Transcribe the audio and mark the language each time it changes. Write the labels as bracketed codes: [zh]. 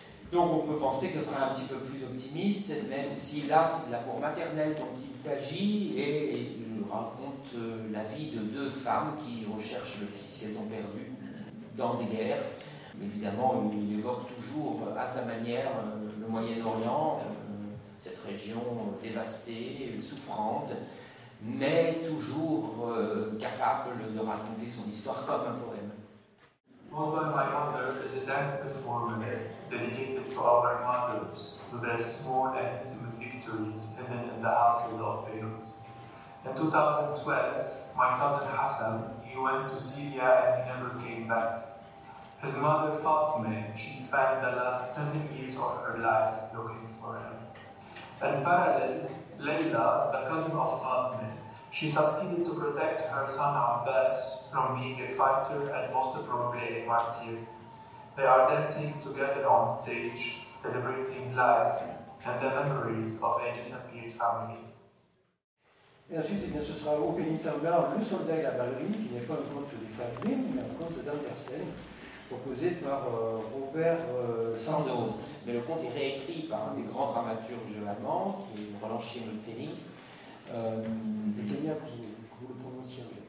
[fr] Donc on peut penser que ce sera un petit peu plus optimiste, même si là c'est de l'amour maternel dont il s'agit, et il raconte la vie de deux femmes qui recherchent le fils qu'elles ont perdu dans des guerres. Évidemment, il évoque toujours à sa manière le Moyen-Orient, cette région dévastée, souffrante, mais toujours capable de raconter son histoire comme un poème. [en] Well, when my mother is a dance performer dedicated to all my mothers, to their small and intimate victories hidden in the houses of Beirut. In 2012, my cousin Hassan, he went to Syria and he never came back. His mother Fatima, she spent the last 10 years of her life looking for him. In parallel, Leila, the cousin of Fatima, she succeeded to protect her son Abbas from being a fighter and most probably a martyr. They are dancing together on stage, celebrating life and the memories of a disappeared family. [fr] Et ensuite, eh bien, ce sera au Pénitentiaire, le soldat et la ballerine, qui n'est pas un conte de Fadrine, mais un conte d'Andersen, proposé par Robert Sandoz. Mais le conte est réécrit par un des grands dramaturges allemands, qui est Roland Schimmel-Ferry. C'est bien que vous le prononciez en